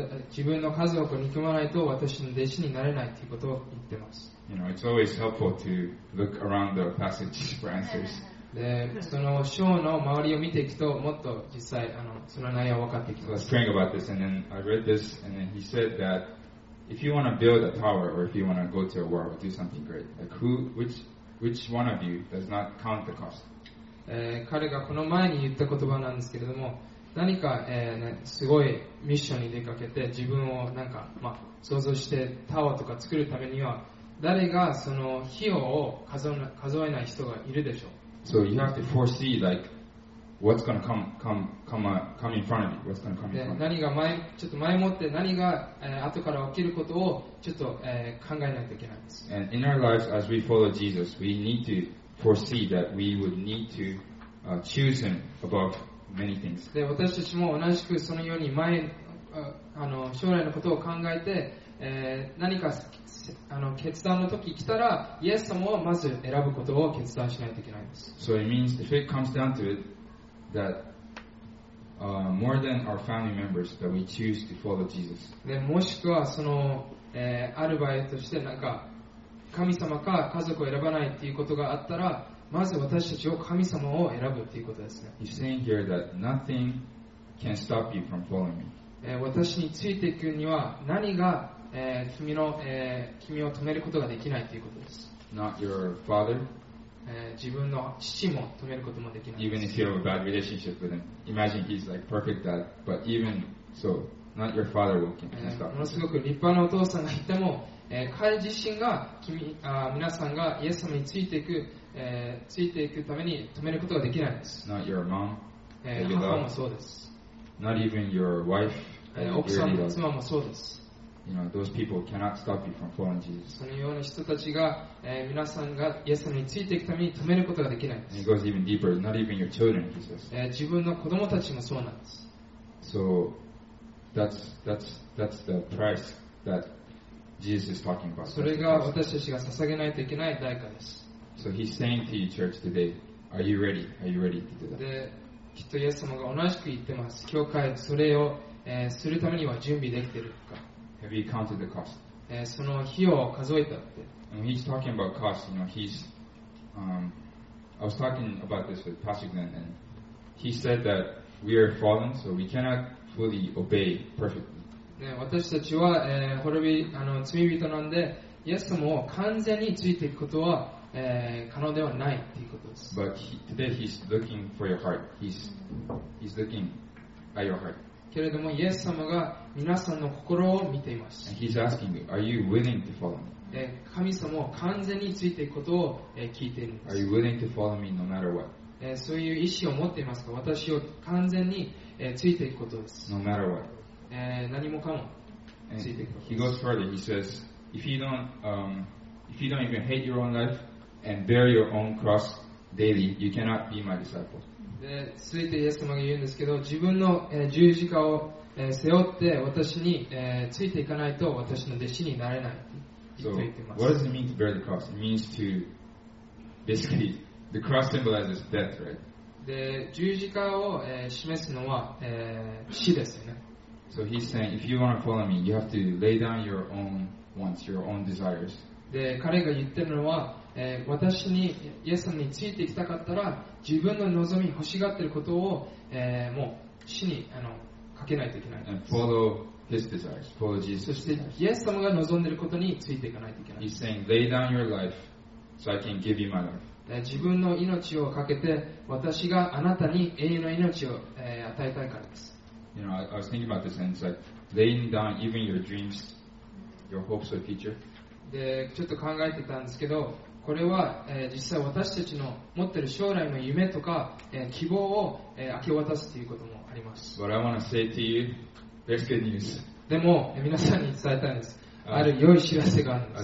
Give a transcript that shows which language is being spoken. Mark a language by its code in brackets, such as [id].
[ja] 自分の家族を憎まないと私の弟子になれないということを言ってます。 [en] You know, it's always helpful to look around the passage for answers. [ja] で、その章の周りを見ていくと、もっと実際その内容を分かってきます。 [en] So I was praying about this, and then I read this, and then he said that. If you want to build a tower or if you want to go to a war or do something great, like which one of you does not count the cost? [ja] 彼がこの前に言った言葉なんですけれども、何か、すごいミッションに出かけて自分をなんか、まあ、想像してタワーとか作るためには、誰がその費用を数えない人がいるでしょう。 [en] So you have to foresee likeWhat's gonna come in front of you? What's gonna come in front of you? [ja] 何が前ちょっと前もって何が、後から起きることをちょっと、考えないといけないんです。 [en] And in our lives, as we follow Jesus, we need to foresee that we would need to、choose Him above many things. [ja] で、私たちも同じくそのように前、将来のことを考えて、何か決断の時来たら、イエス様をまず選ぶことを決断しないといけないんです。 [en] So it means if it comes down to it. That more than our family members, that we choose to follow Jesus. [ja] で、もしくはその、ある場合としてなんか神様か家族を選ばないっていうことがあったら、まず私たちを神様を選ぶっていうことですね。 [en] He's saying here that nothing can stop you from following me. [ja] 私についていくには何が、君を止めることができないっていうことです。 [en] Not your father. [ja] 自分の父も止めることもできないです。 [en] Even if you have a bad relationship with him, imagine he's like perfect dad, but even so, not your father will can stop. [ja] ものすごく立派なお父さんがいても、彼自身が皆さんがイエス様についていく、ついていくために止めることができないです。 [en] Not your mom, [ja] 母もそうです。 [en] Not even your wife, [ja] 奥さんも妻もそうです。 [en] You know, those people cannot stop you from following Jesus. [ja] そのような人たちが、皆さんがイエス様についていくために止めることができないんです。 [en] And it goes even deeper. Not even your children, he says. [ja] 自分の子供たちもそうなんです。 [en] So that's the price that Jesus is talking about. [ja] それが私たちが捧げないといけない代価です。 [en] So he's saying to you, church, today, are you ready? Are you ready to do that? [ja] で、きっとイエス様が同じく言ってます。教会それを、するためには準備できているか。 [en] Have you counted the cost? [ja] その費用を数えたって。 [en] And when he's talking about cost, you know, he's, I was talking about this with Pastor Glenn, and he said that we are fallen, so we cannot fully obey perfectly. [ja] 私たちは、滅び、罪人なんで、イエス様を完全についていくことは、可能ではないっていうことです。 [en] But today he's looking for your heart. He's looking at your heart. [ja] けれどもイエス様が皆さんの心を見ています。 [en] He's asking you, are you willing to follow me? [ja] 神様を完全についていくことを聞いているんです。 [en] Are you willing to follow me no matter what? [ja] そういう意思を持っていますか。私を完全についていくことです。 [en] No matter what. [ja] 何もかもついていくことです。 [en] And he goes further. He says, if you don't even hate your own life and bear your own cross, daily, you cannot be my disciple. [ja] で、続いてイエス様が言うんですけど、自分の、十字架を、背負って私に、ついていかないと私の弟子になれないと言っています。 [en] So, what does it mean to bear the cross? It means to basically, the cross symbolizes death, right? [ja] で、十字架を、示すのは、死ですよね。 [en] So he's saying, if you want to follow me, you have to lay down your own wants, your own desires. [ja] で、彼が言ってるのは、私にイエス様についていきたかったら自分の望み欲しがっていることを、もう死にかけないといけない。 [en] And follow his desires, follow Jesus. [ja] そしてイエス様が望んでいることについていかないといけない。 [en] He's saying, lay down your life so I can give you my life. [ja] 自分の命をかけて私があなたに永遠の命を、与えたいからです。 [en] You know, I was thinking about this and it's like laying down even your dreams, your hopes for the future. [ja] で、ちょっと考えてたんですけど、これは、実際私たちの持ってる将来の夢とか、希望を、明け渡すということもあります。 [en] What I want to say to you, there's good news. [ja] でも、皆さんに伝えたいんです。ある良い知らせがあるんです。